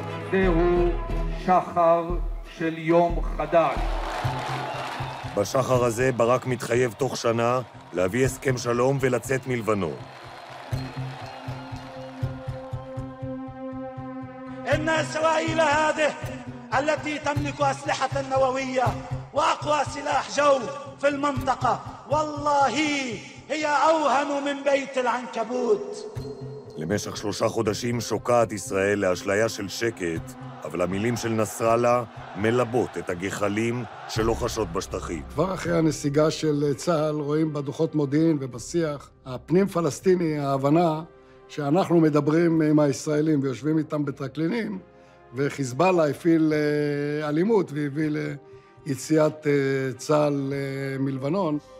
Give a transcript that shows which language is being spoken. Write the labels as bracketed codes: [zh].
[he] זהו שחר של יום חדש. בשחר הזה ברק מתחייב תוך שנה להביא הסכם שלום ולצאת מלבנון. [ar] إن إسرائيل هذه التي تملك أسلحة نووية وأقوى سلاح جو في المنطقة والله هي أوهم من بيت العنكبوت [he] למשך 3 חודשים שוקעת ישראל לאשליה של שקט, אבל המילים של נסראללה מלבות את הגחלים שלא חשות בשטחים. כבר אחרי הנסיגה של צהל רואים בדוחות מודיעין ובשיח הפנים פלסטיני ההבנה שאנחנו מדברים עם הישראלים ויושבים איתם בטרקלינים, וחיזבאללה הפעיל אלימות והביא ליציאת צהל מלבנון.